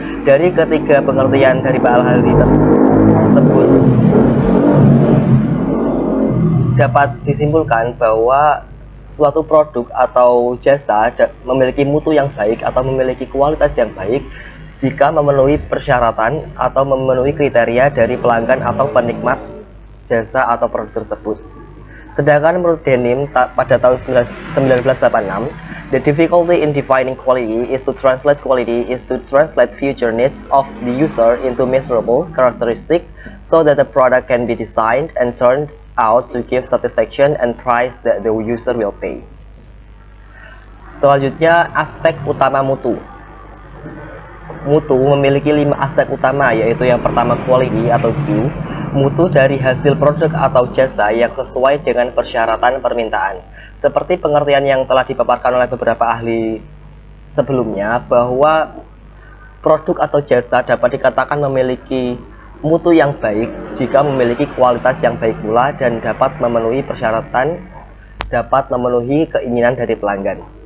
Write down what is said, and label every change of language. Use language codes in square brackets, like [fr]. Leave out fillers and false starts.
[id] Dari ketiga pengertian dari Pak Al-Hali tersebut, dapat disimpulkan bahwa suatu produk atau jasa memiliki mutu yang baik atau memiliki kualitas yang baik jika memenuhi persyaratan atau memenuhi kriteria dari pelanggan atau penikmat jasa atau produk tersebut. Sedangkan menurut Denim pada tahun 1986, [en] the difficulty in defining quality is to translate quality is to translate future needs of the user into measurable characteristics so that the product can be designed and turned out to give satisfaction and price that the user will pay. [id] Selanjutnya, aspek utama mutu. Mutu memiliki 5 aspek utama, yaitu yang pertama quality atau Q, mutu dari hasil produk atau jasa yang sesuai dengan persyaratan permintaan. Seperti pengertian yang telah dipaparkan oleh beberapa ahli sebelumnya, bahwa produk atau jasa dapat dikatakan memiliki mutu yang baik jika memiliki kualitas yang baik pula dan dapat memenuhi persyaratan, dapat memenuhi keinginan dari pelanggan.